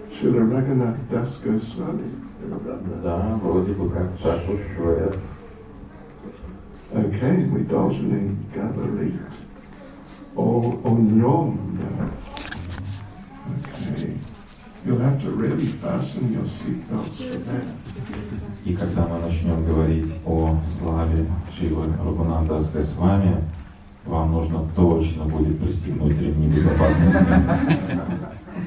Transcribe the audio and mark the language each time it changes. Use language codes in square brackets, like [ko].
[ru] Да, вроде бы как так уж говорят. Okay, мы должны говорить о нем. [en] Okay, you'll have to really fasten your seatbelts for that. [ru] И когда мы начнем говорить о славе Шрилы Рагунатха Дас Госвами, вам нужно точно будет пристегнуть ремни безопасности.